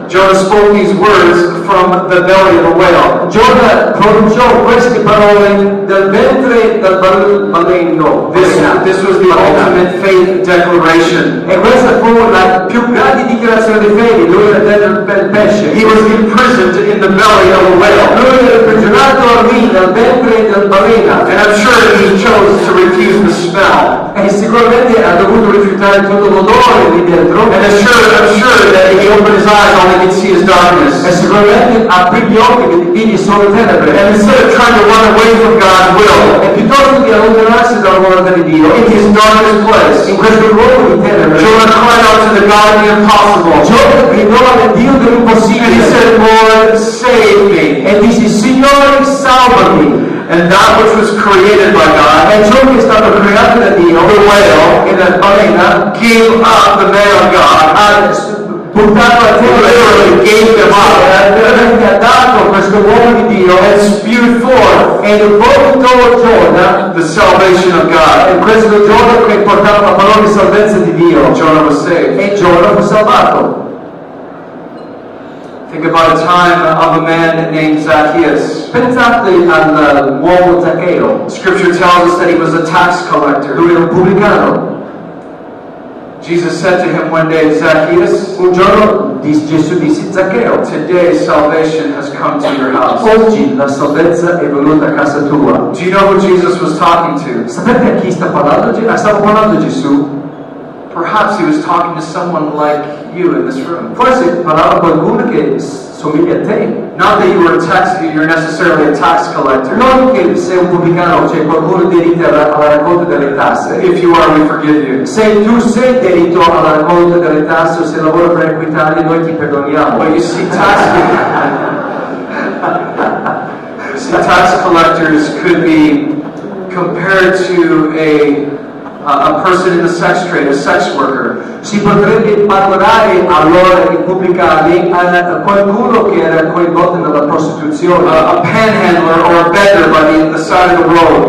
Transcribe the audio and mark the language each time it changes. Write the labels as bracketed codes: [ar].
[en] Jonah spoke these words from the belly of a whale. [it] Jonah pronunciò queste parole dal ventre del baleno. [en] This was the ultimate faith declaration. [it] E questa fu la più grande dichiarazione di fede. Lui era dentro il pesce. [en] He was imprisoned in the belly of a whale. [it] Lui era imprigionato lì dal ventre del baleno. [en] And I'm sure he chose to refuse the smell. [it] E sicuramente ha dovuto rifiutare tutto l'odore lì dentro. [en] And I'm sure that he opened his eyes. All he could see is darkness. [it] E sicuramente aprì gli occhi e vide solo tenebre. [en] And instead of trying to run away from God's will, [it] e piuttosto di allontanarsi dalla volontà di Dio, [en] in his darkest place, [it] in questo luogo di tenebre, [en] Jonah cried out to the God of the impossible. [it] Jonah gridò al Dio dell'impossibile. [en] And he said, Lord, save me. [it] E disse, Signore, salvami. [en] And that which was created by God, [it] e ciò che è stato creato da Dio, [en] the whale, [it] in the balena, [en] gave up the man of God. Literally gave him up. [it] Veramente ha dato questo uomo di Dio. [en] And spewed forth. [it] And vomitò Jonah. [en] The salvation of God. [it] E questo Jonah che portava la parola di salvezza di Dio. [en] Jonah was saved. [it] E Jonah fu salvato. [en] Think about a time of a man named Zacchaeus. [it] Pensate al uomo Zaccheo. [en] Scripture tells us that he was a tax collector. [it] Lui era un pubblicano. [en] Jesus said to him one day, Zacchaeus, [it] un giorno Gesù disse Zaccheo, [en] today salvation has come to your house. [it] Oggi la salvezza è venuta a casa tua. [en] Do you know who Jesus was talking to? [it] Sapete a chi sta parlando? Stavo parlando Gesù. [en] perhaps he was talking to someone like you in this room. [it] Forse parlava con qualcuno che somiglia a te. [en] Not that you were a tax, you're necessarily a tax collector. [it] Non che sei un pubblicano, cioè qualcuno diritto alla raccolta delle tasse. [en] If you are, we forgive you. [it] Se tu sei diritto alla raccolta delle tasse o se lavora per equitare, noi ti perdoniamo. [en] But you see, tax. See, tax collectors could be compared to a person in the sex trade, a sex worker. [it] Si potrebbe paragonare allora i pubblicani a qualcuno che era coinvolto nella prostituzione, [en] a panhandler or a beggar by the side of the road,